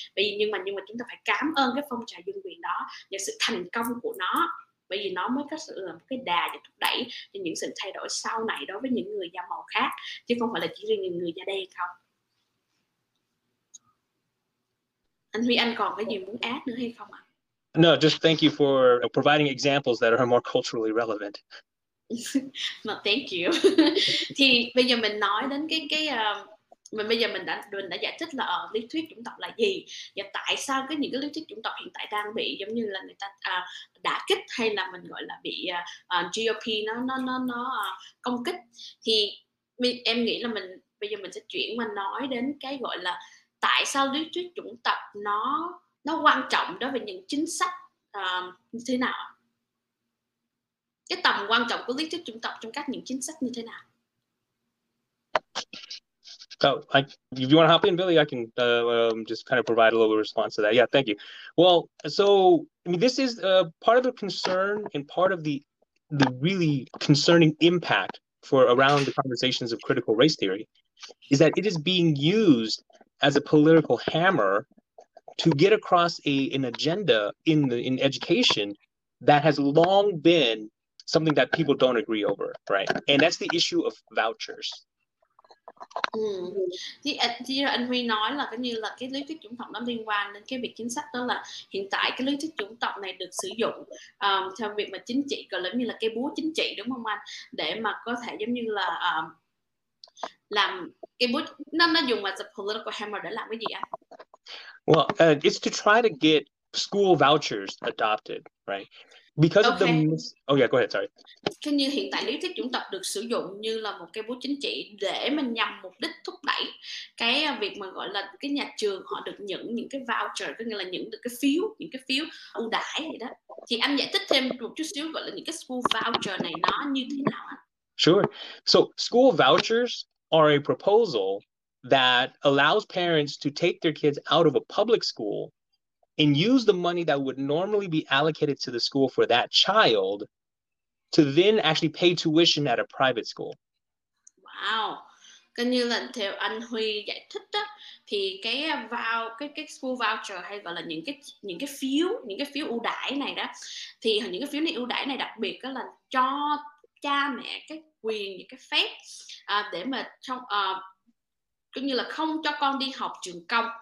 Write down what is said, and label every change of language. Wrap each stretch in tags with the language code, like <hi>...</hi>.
<vi>Nhưng mà chúng ta phải cảm ơn cái phong trào dân quyền đó và sự thành công của nó, bởi vì nó mới có sự là một cái đà để thúc đẩy cho những sự thay đổi sau này đối với những người da màu khác, chứ không phải là chỉ riêng những người da đen không. Anh Huy, anh còn cái gì muốn add nữa hay không ạ?</vi> <en>No, just thank you for providing examples that are more culturally relevant. No, thank you.</en> <vi>Thì bây giờ mình nói đến mình đã giải thích là lý thuyết chủng tộc là gì và tại sao cái những cái lý thuyết chủng tộc hiện tại đang bị giống như là người ta đả kích, hay là mình gọi là bị GOP nó công kích. Thì em nghĩ là bây giờ mình sẽ chuyển mà nói đến cái gọi là tại sao lý thuyết chủng tộc nó quan trọng đối với những chính sách như thế nào, cái tầm quan trọng của lý thuyết chủng tộc trong các những chính sách như thế nào.</vi> <en>If you want to hop in, Billy, I can just kind of provide a little response to that. Yeah, thank you. Well, so I mean, this is part of the concern and part of the really concerning impact for around the conversations of critical race theory is that it is being used as a political hammer to get across an agenda in education that has long been something that people don't agree over, right? And that's the issue of vouchers.</en> <vi>Thì anh Huy nói là cái như là cái lý thuyết chủng tộc nó liên quan đến cái việc chính sách, đó là hiện tại cái lý thuyết chủng tộc này được sử dụng theo việc mà chính trị gọi là như là cái búa chính trị, đúng không anh, để mà có thể giống như là làm cái búa nó dùng</vi> <en>as a political hammer</en> <vi>để làm cái gì anh?</vi> <en>Well, it's to try to get school vouchers adopted, right? Because okay. Of the oh yeah, go ahead, sorry.</en> <vi>Cái như hiện tại lý thuyết chủng tộc được sử dụng như là một cái búa chính trị để mình nhằm mục đích thúc đẩy cái việc mà gọi là cái nhà trường họ được những cái voucher, có nghĩa là những cái phiếu ưu đãi gì đó. Thì anh giải thích thêm một chút xíu gọi là những cái school voucher này nó như thế nào anh?</vi> <en>Sure. So school vouchers are a proposal that allows parents to take their kids out of a public school and use the money that would normally be allocated to the school for that child to then actually pay tuition at a private school. Wow.</en> <vi>Cái như là theo anh Huy giải thích đó, thì cái school voucher hay gọi là những cái phiếu ưu đãi này đó, thì những cái phiếu này ưu đãi này đặc biệt đó là cho cha mẹ cái quyền, những cái phép để mà trong cũng như là không cho con đi học trường công,</vi>